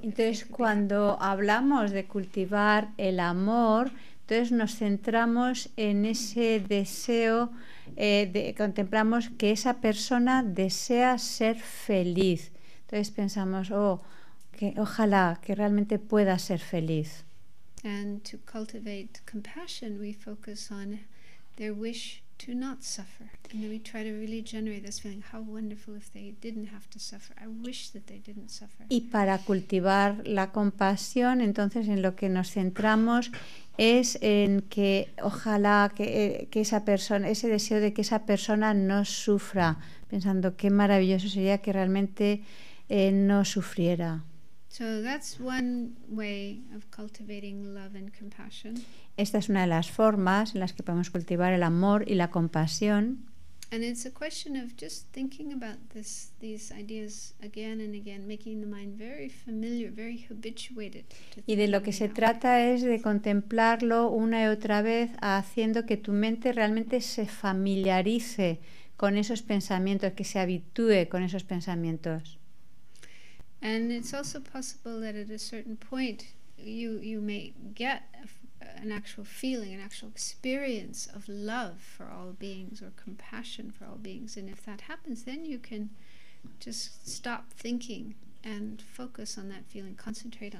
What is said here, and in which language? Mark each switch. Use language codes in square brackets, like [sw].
[es] Entonces, cuando hablamos de cultivar el amor, entonces nos centramos en ese deseo, contemplamos que esa persona desea ser feliz. Entonces pensamos, oh, que ojalá que realmente pueda ser feliz. [en] And to cultivate compassion, we focus on their wish to not suffer. And then we try to really generate this feeling, how wonderful if they didn't have to suffer. I wish that they didn't suffer. [es] Y para cultivar la compasión, entonces en lo que nos centramos es en que ojalá que esa persona, ese deseo de que esa persona no sufra, pensando qué maravilloso sería que realmente no sufriera. [en] So that's one way of cultivating love and compassion. [es] Esta es una de las formas en las que podemos cultivar el amor y la compasión. [en] And it's a question of just thinking about this, these ideas again and again, making the mind very familiar, very habituated. [es] Y de lo que se trata es de contemplarlo una y otra vez, haciendo que tu mente realmente se familiarice con esos pensamientos, que se habitúe con esos pensamientos. [en] And it's also possible that at a certain point you may get an actual feeling, an actual experience of love for all beings or compassion for all beings. And if that happens, then you can just stop thinking and focus on that feeling, concentrate on